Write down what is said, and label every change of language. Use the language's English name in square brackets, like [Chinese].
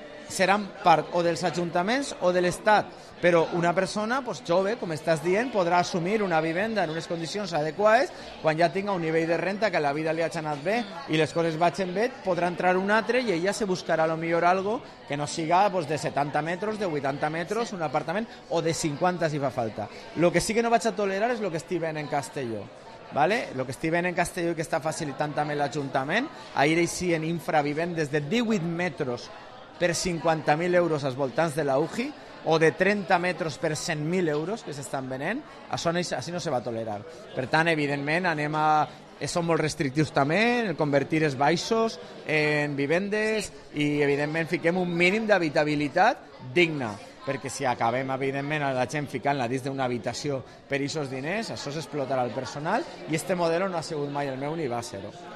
[Catalan] seran part o dels ajuntaments o de l'Estat, però una persona pues, jove, com estàs dient, podrà assumir una vivenda en unes condicions adequades quan ja tinga un nivell de renta que a la vida li hagi anat bé i les coses vagin bé, podrà entrar un altre i ella se buscarà lo millor algo que no siga pues, de 70 metres, de 80 metres, un apartament, o de 50 si fa falta. Lo que sí que no vaig a tolerar és lo que estic veient en Castelló. ¿Vale? [Spanish] Lo que estoy viendo en Castelló y que está facilitando también el ayuntamiento, ahí sí en infra viven desde 18 metros per 50.000 euros a los voltants de la UGI o de 30 metros per 100.000 euros que se están vendiendo, así no se va a tolerar. [Catalan] Per tant, evidentment, anem a... Són molt restrictius també en convertir els baixos en vivendes, sí. I evidentment fiquem un mínim d'habitabilitat digna. Perquè si acabem, evidentment, la gent ficant-la dins d'una habitació per aquests diners, això s'explotarà el personal i este model no ha sigut mai el meu ni va ser-ho.